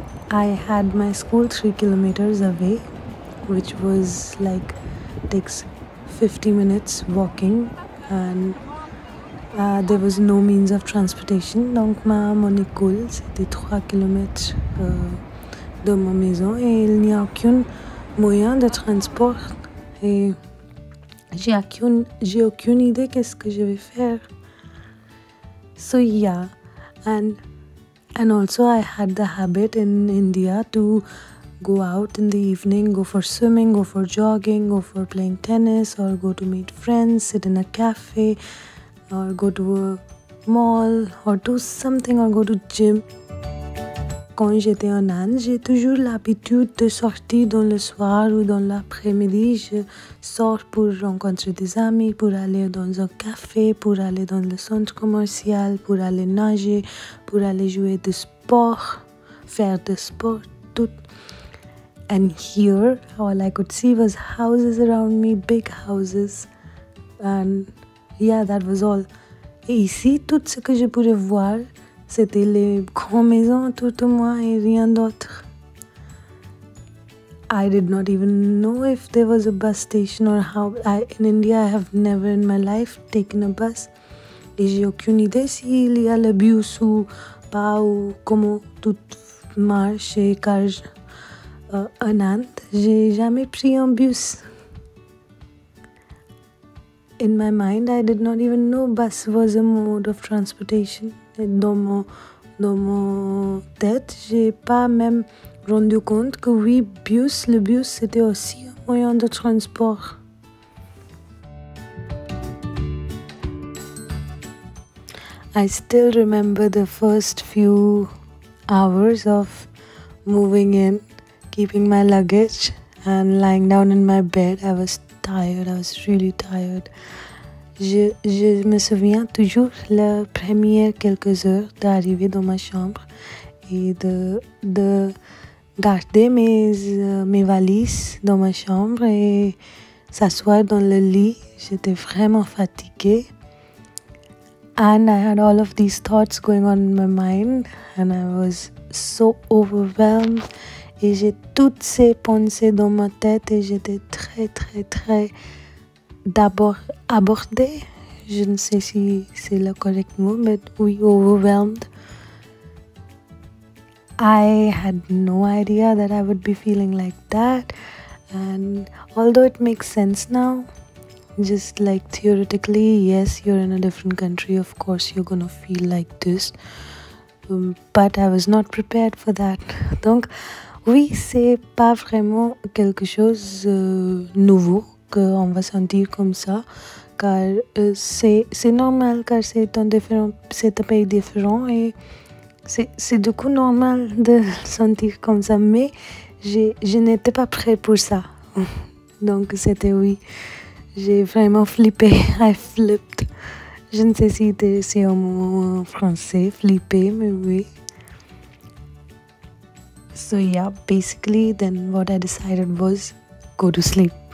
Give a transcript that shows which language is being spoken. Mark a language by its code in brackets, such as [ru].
[en] I had my school 3 kilometers away, which was like takes 50 minutes walking, and there was no means of transportation. [fr] Donc mon école c'était 3 kilometers de ma maison et il n'y a aucun moyen de transport. Et j'ai aucune idée qu'est-ce que je vais faire. [en] So yeah, and also I had the habit in India to go out in the evening, go for swimming, go for jogging, go for playing tennis, or go to meet friends, sit in a cafe, or go to a mall, or do something, or go to gym. [fr] Quand j'étais en Inde, j'ai toujours l'habitude de sortir dans le soir ou dans l'après-midi. Je sors pour rencontrer des amis, pour aller dans un café, pour aller dans le centre commercial, pour aller nager, pour aller jouer du sport, faire du sport, tout. [en] And here, all I could see was houses around me, big houses. And yeah, that was all. [fr] Et ici, tout ce que je pouvais voir, c'était les grandes maisons autour de moi et rien d'autre. [en] I did not even know if there was a bus station or how. In India, I have never in my life taken a bus. [fr] Et j'ai aucune idée s'il y a le bus ou pas ou comment tout marche. Car en Inde, j'ai jamais pris un bus. [en] In my mind, I did not even know bus was a mode of transportation. [fr] Dans ma tête, j'ai pas même rendu compte que oui, le bus, c'était aussi un moyen de transport. [en] I still remember the first few hours of moving in, keeping my luggage and lying down in my bed. I was tired, I was really tired. [fr] Je me souviens toujours les premières quelques heures d'arriver dans ma chambre et de garder mes valises dans ma chambre et s'asseoir dans le lit. J'étais vraiment fatiguée. [en] And I had all of these thoughts going on in my mind and I was so overwhelmed. [fr] Et j'ai toutes ces pensées dans ma tête et j'étais très, très, très... D'abord, abordé, je ne sais si c'est le correct mot, but oui, [en] overwhelmed. I had no idea that I would be feeling like that. And although it makes sense now, just like theoretically, yes, you're in a different country, of course you're gonna feel like this. But I was not prepared for that. [fr] Donc, oui, c'est pas vraiment quelque chose nouveau. On va sentir comme ça car c'est normal car c'est un pays différent et c'est du coup normal de sentir comme ça mais je n'étais pas prêt pour ça donc c'était oui j'ai vraiment flippé. [en] I flipped. [fr] Je ne sais si c'est un mot français flippé mais oui. [en] So yeah, basically then what I decided was go to sleep.